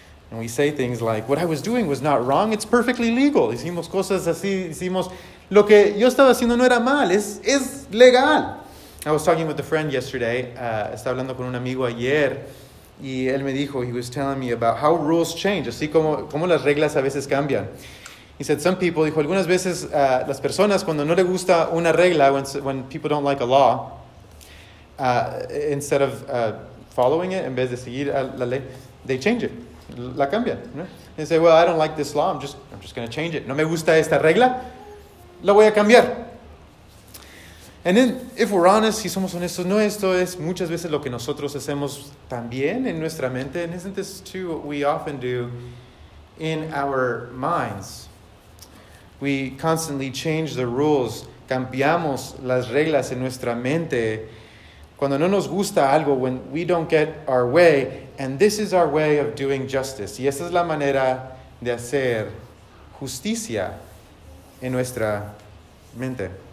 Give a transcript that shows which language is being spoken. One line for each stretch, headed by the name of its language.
English: And we say things like, what I was doing was not wrong, it's perfectly legal.
Spanish: Hicimos cosas así, decimos, lo que yo estaba haciendo no era mal, es legal.
English: I was talking with a friend yesterday,
Spanish: estaba hablando con un amigo ayer, y él me dijo,
English: he was telling me about how rules change,
Spanish: así como las reglas a veces cambian.
English: He said, some people,
Spanish: dijo, algunas veces las personas cuando no le gusta una regla,
English: when people don't like a law, instead of following it,
Spanish: en vez de seguir la ley,
English: they change it.
Spanish: La cambian, ¿no?
English: They say, well, I don't like this law, I'm just going to change it.
Spanish: No me gusta esta regla, la voy a cambiar.
English: And then, if we're honest,
Spanish: si somos honestos, no, esto es muchas veces lo que nosotros hacemos también en nuestra mente.
English: And isn't this too what we often do in our minds? We constantly change the rules,
Spanish: cambiamos las reglas en nuestra mente. Cuando no nos gusta algo,
English: when we don't get our way, and this is our way of doing justice.
Spanish: Y esa es la manera de hacer justicia en nuestra mente.